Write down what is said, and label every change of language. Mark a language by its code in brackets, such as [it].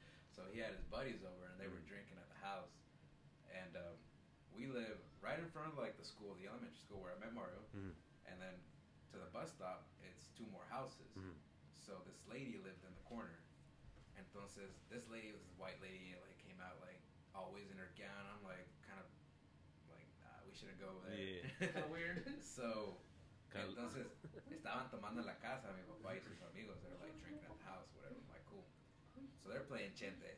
[en] So, he had his buddies over, and they were drinking at the house. And we live right in front of, like, the school, the elementary school where I met Mario. And then, to the bus stop, it's two more houses. So, this lady lived in the corner. Entonces, this lady was a white lady, like, came out, like, always in her gown. I'm, like, kind of, like, nah, we shouldn't go over there. Yeah. Kind of weird. [es] So, entonces, estaban tomando la casa, mi papá y sus amigos. [en] They're, like, drinking at the house, whatever. I'm, like, cool. So, they're playing Chente.